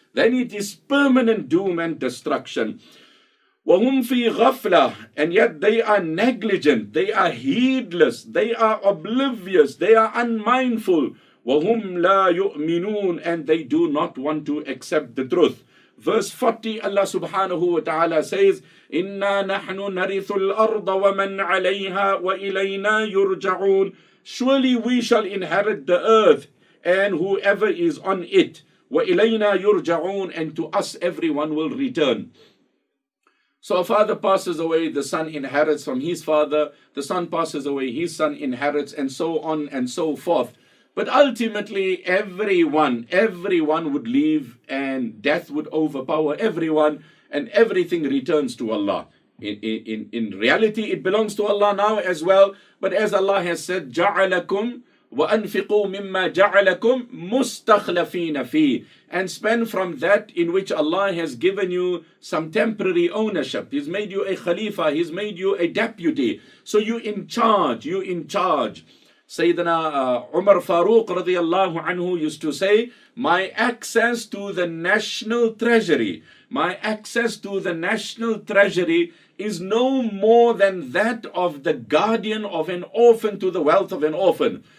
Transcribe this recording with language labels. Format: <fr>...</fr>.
<en>Then it is permanent doom and destruction.</en> <ar>وَهُمْ فِي غَفْلَةٍ.</ar> <en>And yet they are negligent, they are heedless, they are oblivious, they are unmindful.</en> <ar>وَهُمْ لَا يُؤْمِنُونَ.</ar> <en>And they do not want to accept the truth. Verse 40, Allah subhanahu wa ta'ala says,</en> <ar>إِنَّا نَحْنُ نَرِثُ الْأَرْضَ وَمَنْ عَلَيْهَا وَإِلَيْنَا يُرْجَعُونَ.</ar> <en>Surely we shall inherit the earth and whoever is on it.</en> <ar>وَإِلَيْنَا يُرْجَعُونَ.</ar> <en>And to us everyone will return. So a father passes away, the son inherits from his father. The son passes away, his son inherits, and so on and so forth. But ultimately, everyone would leave, and death would overpower everyone, and everything returns to Allah. In reality, it belongs to Allah now as well. But as Allah has said,</en> <ar>جَعَلَكُمْ وَأَنْفِقُوا مِمَّا جَعَلَكُمْ مُسْتَخْلَفِينَ فِيهِ.</ar> <en>And spend from that in which Allah has given you some temporary ownership. He's made you a khalifa, he's made you a deputy. So you in charge. Sayyidina Umar Farooq radiallahu anhu used to say, my access to the national treasury, my access to the national treasury is no more than that of the guardian of an orphan to the wealth of an orphan.</en>